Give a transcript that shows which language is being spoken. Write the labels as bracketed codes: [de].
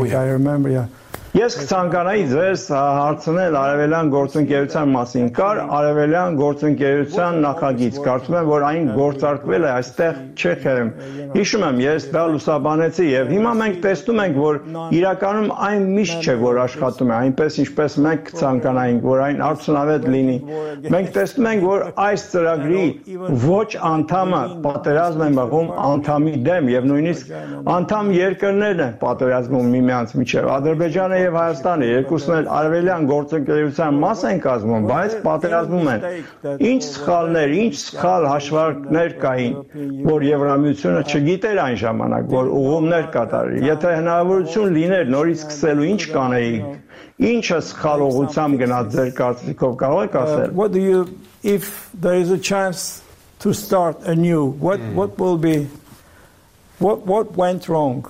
[en] Oh, yeah. I remember, yeah. [hy] Ես ցանկանայի ձեզ հարցնել արևելյան գործընկերության մասին։ Կար արևելյան գործընկերության նախագիծ, կարծում եմ, որ այն գործարկվել է այստեղ Չեխիայում։ Հիշում եմ, ես դա լուսաբանեցի եւ հիմա մենք տեսնում ենք, որ իրականում այն միշտ չէ, որ աշխատում է այնպես, ինչպես մենք ցանկանայինք, որ այն արդյունավետ լինի։ Մենք տեսնում ենք, որ այս ծրագրի ոչ անդամը պատերազմ են բախում անդամի դեմ եւ նույնիսկ անդամ երկրներն են պատերազմում միմյանց միջև։ Ադրբեջանը եւ Հայաստանը երկուսն էլ արևելյան գործընկերության մաս են կազմում, բայց պատերազմում են։ Ինչ սխալներ, ինչ սխալ հաշվարկներ կային, որ Եվրամիությունը չգիտեր այն ժամանակ, որ ուղումներ կատարի։ Եթե հնարավորություն լիներ նորից սկսելու, ինչ կանեի։ Ինչը սխալ ուղությամբ գնաց ձեր կարծիքով, կարող եք ասել։ [en] What do you if there is a chance to start anew, what will be what went wrong?